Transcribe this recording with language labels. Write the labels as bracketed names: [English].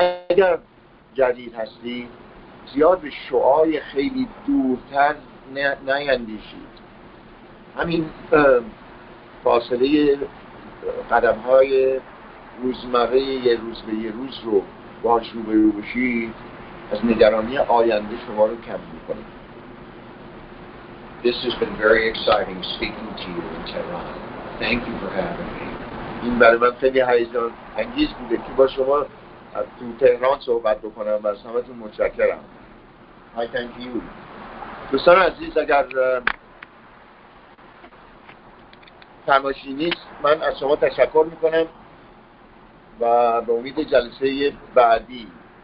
[Persian] اگر جدید هستی، زیاد به شعای خیلی دورتر نیندیشید. همین فاصله قدم‌های روزمره یه روز به یه روز رو باش رو به رو بشید، از نگرانی آینده شما رو کم می‌کنید. [English] This has been very exciting speaking to you in Tehran. Thank you for having me. [Persian] این برای من خیلی هیجان انگیز بوده که با شما تو تهران صحبت بکنم و از همتون متشکرم. [English] I thank you. [Persian] دوستان عزیز، اگر تماشی نیست، من از شما تشکر میکنم و به امید جلسه بعدی.